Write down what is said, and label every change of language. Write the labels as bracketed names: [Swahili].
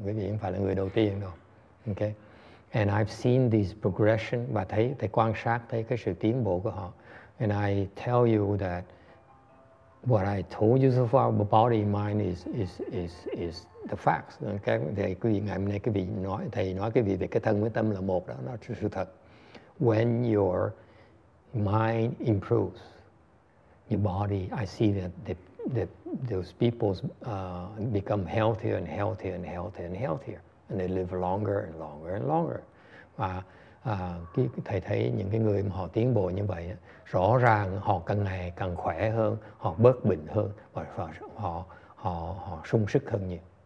[Vietnamese] Quý vị không phải là người đầu tiên đâu. Okay. [English] And I've seen this progression, [Vietnamese] và thấy quan sát thấy cái sự tiến bộ của họ. [English] And I tell you that what I told you so far about body and mind is the facts. [Vietnamese] Okay, thầy quý vị ngày hôm nay quý vị nói thầy nói quý vị về cái thân với tâm là một đó, nó là sự thật. [English] When your mind improves, your body, I see that those people become healthier and healthier and healthier and healthier, and they live longer and longer and longer. [Vietnamese] Và thầy thấy những cái người mà họ tiến bộ như vậy, rõ ràng họ càng ngày càng khỏe hơn, họ bớt bệnh hơn và họ sung sức hơn nhiều.